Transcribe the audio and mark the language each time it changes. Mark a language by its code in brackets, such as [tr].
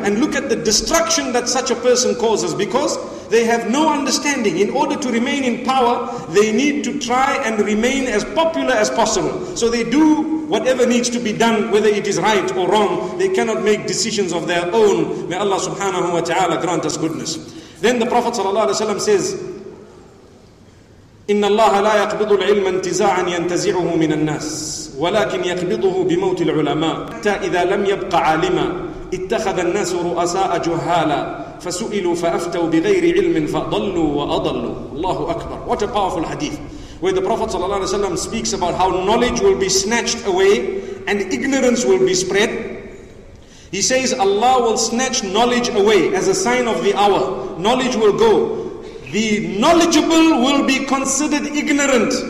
[en] And look at the destruction that such a person causes, because they have no understanding. In order to remain in power, they need to try and remain as popular as possible. So they do whatever needs to be done, whether it is right or wrong. They cannot make decisions of their own. May Allah subhanahu wa ta'ala grant us goodness. Then the Prophet sallallahu alaihi wasallam says, [ar] إن الله لا يقبض العلم انتزاعا ينتزعه من الناس ولكن يقبضه بموت العلماء حتى إذا لم يبق عالما اتخذ الناس رؤساء جهالا فسئلوا فأفتوا بغير علم فضلوا وأضلوا. الله أكبر. [en] What a powerful hadith, where the Prophet [ar] صلى الله عليه وسلم [en] speaks about how knowledge will be snatched away and ignorance will be spread. He says Allah will snatch knowledge away as a sign of the hour. Knowledge will go. The knowledgeable will be considered ignorant.